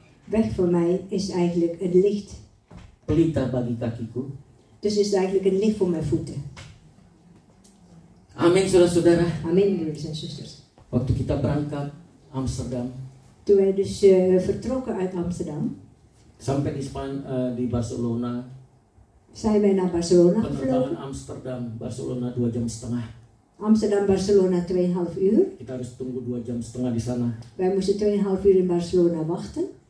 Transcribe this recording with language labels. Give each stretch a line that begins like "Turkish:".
Dutch: Weg voor mij is eigenlijk het licht.
Indonesian: Pelita bagi kakiku.
Dutch: Dus is eigenlijk een licht voor mijn voeten.
Indonesian: Amen, saudara-saudara.
Dutch: Amen, broeders en zusters.
Indonesian: Waktu kita berangkat Amsterdam.
Dutch: Toen wij dus vertrokken uit Amsterdam.
Indonesian: Sampai di Spanje, di Barcelona.
Dutch: Zijn wij naar Barcelona gevlogen.
Indonesian: Penerbangan Amsterdam, Barcelona 2 jam setengah.
Dutch: Amsterdam, Barcelona 2,5 uur.
Indonesian: Kita harus tunggu 2 jam setengah di sana.
Dutch: Wij moesten 2,5 uur in Barcelona wachten.